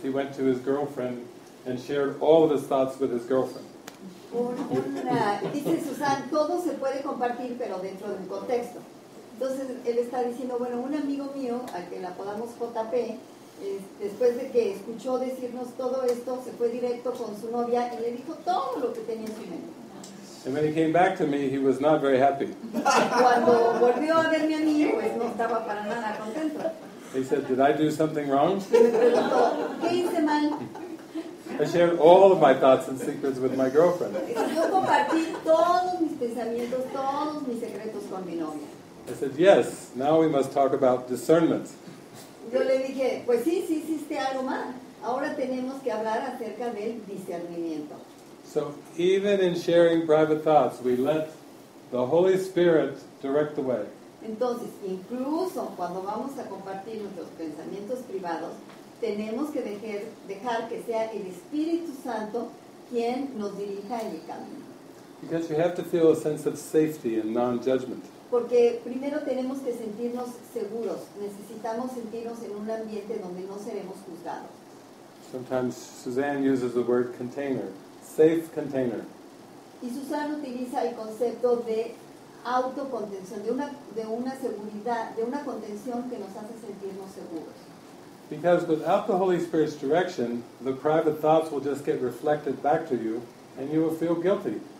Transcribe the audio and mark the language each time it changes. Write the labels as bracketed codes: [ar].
[en] He went to his girlfriend and shared all of his thoughts with his girlfriend. [es] Dice Susan, todo se puede compartir, pero dentro de un contexto. Entonces, él está diciendo, bueno, un amigo mío, al que la podamos JP, después de que escuchó decirnos todo esto, se fue directo con su novia y le dijo todo lo que tenía en su mente. [en] And when he came back to me, he was not very happy. [es] Cuando volvió a verme a mí, pues no estaba para nada contento. [en] He said, "Did I do something wrong?" [es] ¿Qué hice mal? [en] I shared all of my thoughts and secrets with my girlfriend. [es] Yo compartí todos mis pensamientos, todos mis secretos con mi novia. [en] I said, "Yes, now we must talk about discernment." [es] Yo le dije, pues sí, sí hiciste algo mal. Ahora tenemos que hablar acerca del discernimiento. [en] So, even in sharing private thoughts, we let the Holy Spirit direct the way. [es] Entonces, incluso cuando vamos a compartir nuestros pensamientos privados, tenemos que dejar que sea el Espíritu Santo quien nos dirija en el camino. [en] Because we have to feel a sense of safety and non-judgment. [es] Porque primero tenemos que sentirnos seguros. Necesitamos sentirnos en un ambiente donde no seremos juzgados. [en] Sometimes Suzanne uses the word container, safe container. [es] Y Suzanne utiliza el concepto de autocontención, de una seguridad, de una contención que nos hace sentirnos seguros. [en] Because without the Holy Spirit's direction, the private thoughts will just get reflected back to you, and you will feel guilty.